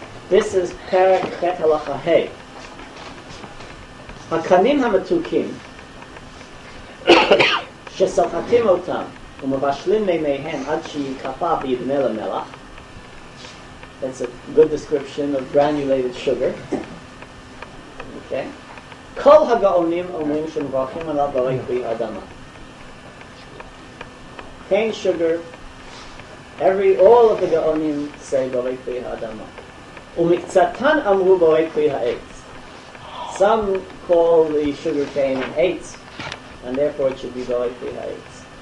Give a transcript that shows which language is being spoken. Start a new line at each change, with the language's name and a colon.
English: This is Perek Chet Halacha Hei.
Hebrew: הקנים המתוקים שסוחטים אותם ומבשלים מימיהם עד שיקפה ביבנה למלח.
English: That's a good description of granulated sugar. Okay.
Hebrew: כל הגאונים אומרים שמברכים עליו ברי פרי אדמה.
English: Cane sugar, all of the גאונים say
Hebrew: ברי פרי האדמה. ומקצתן אמרו ברי פרי העץ.
English: Some call the sugar cane an eitz, and therefore it should be borei pri ha'etz.